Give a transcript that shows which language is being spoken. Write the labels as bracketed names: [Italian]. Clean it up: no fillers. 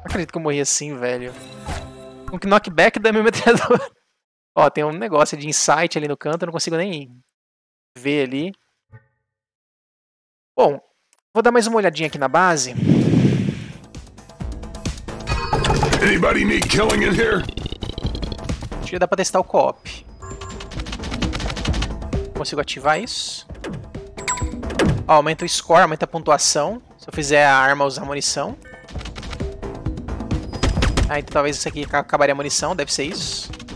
[Portuguese] Que eu morri assim, velho. Um knockback da minha metralhadora. Ó, tem um negócio de insight ali no canto, eu não consigo nem ver ali. Bom, vou dar mais uma olhadinha aqui na base. [English] Anybody need killing in here? [Portuguese] Acho que dá pra testar o co-op. Consigo ativar isso? Ó, aumenta o score, aumenta a pontuação. Se eu fizer a arma, usar munição. Ah, então talvez isso aqui acabaria a munição, deve ser isso.